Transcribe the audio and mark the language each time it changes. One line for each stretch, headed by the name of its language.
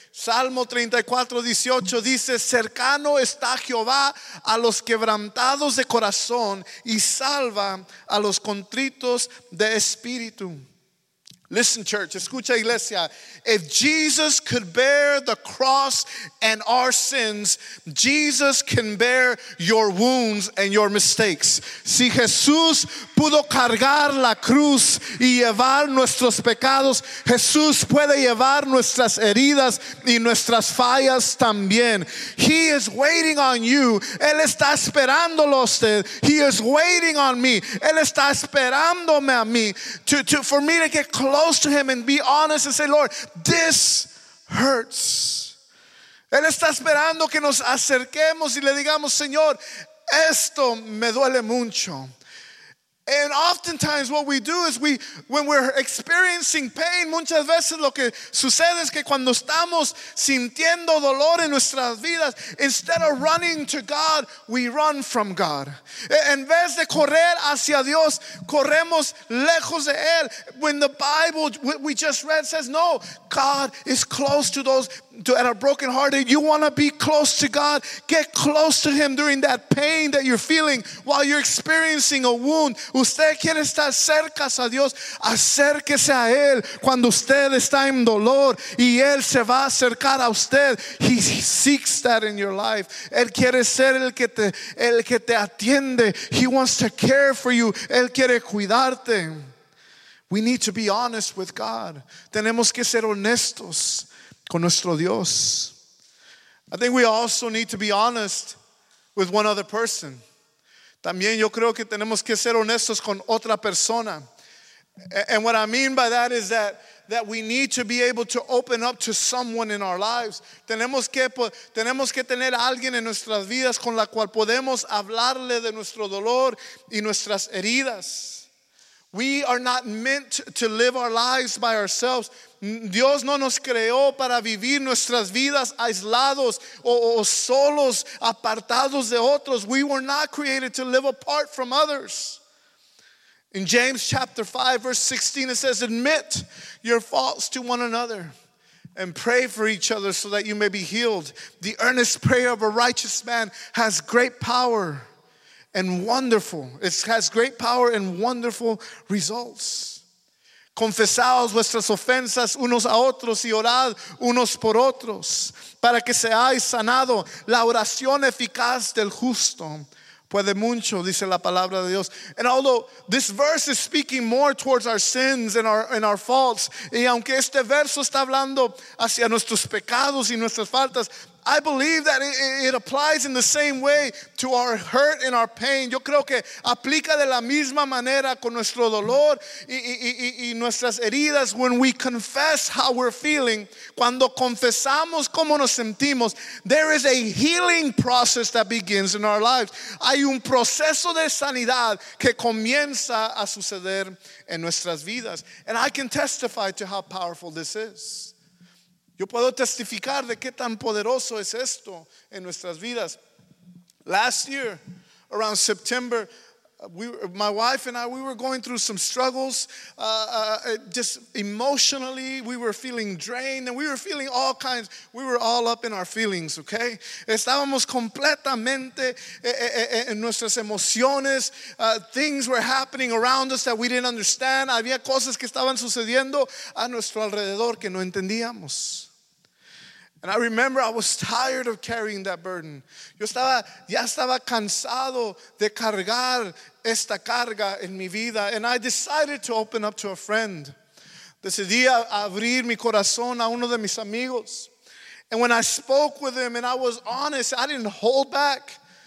Spanish: Salmo 34:18 dice, cercano está Jehová a los quebrantados de corazón y salva a los contritos de espíritu.
English: Listen, church,
Spanish: escucha, iglesia.
English: If Jesus could bear the cross and our sins, Jesus can bear your wounds and your mistakes.
Spanish: Si Jesús pudo cargar la cruz y llevar nuestros pecados, Jesús puede llevar nuestras heridas y nuestras fallas también.
English: He is waiting on you.
Spanish: Él está esperándolo a usted.
English: He is waiting on me.
Spanish: Él está esperándome a mí.
English: For me to get close to him and be honest and say, Lord, this hurts.
Spanish: Él está esperando que nos acerquemos y le digamos, Señor, esto me duele mucho.
English: And oftentimes what we do is when we're experiencing pain,
Spanish: muchas veces lo que sucede es que cuando estamos sintiendo dolor en nuestras vidas,
English: instead of running to God, we run from God.
Spanish: En vez de correr hacia Dios, corremos lejos de Él.
English: When the Bible we just read says, no, God is close to those that are brokenhearted. You want to be close to God. Get close to Him during that pain that you're feeling while you're experiencing a wound.
Spanish: Usted quiere estar cerca a Dios, acérquese a Él cuando usted está en dolor y Él se va a acercar a usted.
English: He seeks that in your life.
Spanish: Él quiere ser el que te atiende.
English: He wants to care for you.
Spanish: Él quiere cuidarte.
English: We need to be honest with God.
Spanish: Tenemos que ser honestos con nuestro Dios.
English: I think we also need to be honest with one other person.
Spanish: También yo creo que tenemos que ser honestos con otra persona.
English: And what I mean by that is that we need to be able to open up to someone in our lives.
Spanish: Tenemos que tener alguien en nuestras vidas con la cual podemos hablarle de nuestro dolor y nuestras heridas.
English: We are not meant to live our lives by ourselves.
Spanish: Dios no nos creó para vivir nuestras vidas aislados o solos, apartados de otros.
English: We were not created to live apart from others. In James chapter 5, verse 16, it says, "Admit your faults to one another and pray for each other so that you may be healed. The earnest prayer of a righteous man has great power and wonderful." It has great power and wonderful results.
Spanish: Confesaos vuestras ofensas unos a otros y orad unos por otros para que seáis sanado. La oración eficaz del justo puede mucho, dice la palabra de Dios.
English: And although this verse is speaking more towards our sins and our faults,
Spanish: y aunque este verso está hablando hacia nuestros pecados y nuestras faltas,
English: I believe that it applies in the same way to our hurt and our pain.
Spanish: Yo creo que aplica de la misma manera con nuestro dolor y nuestras heridas.
English: When we confess how we're feeling,
Spanish: cuando confesamos cómo nos sentimos,
English: there is a healing process that begins in our lives.
Spanish: Hay un proceso de sanidad que comienza a suceder en nuestras vidas.
English: And I can testify to how powerful this is.
Spanish: Yo puedo testificar de qué tan poderoso es esto en nuestras vidas.
English: Last year, around September, my wife and I were going through some struggles, just emotionally. We were feeling drained and we were feeling all kinds. We were all up in our feelings, okay?
Spanish: Estábamos completamente en nuestras emociones.
English: Things were happening around us that we didn't understand.
Spanish: Había cosas que estaban sucediendo a nuestro alrededor que no entendíamos.
English: And I remember I was tired of carrying that burden.
Spanish: Yo estaba, ya estaba cansado de cargar esta carga en mi vida.
English: And I decided to open up to a friend.
Spanish: Decidí abrir mi corazón a uno de mis amigos.
English: And when I spoke with him and I was honest, I didn't hold back.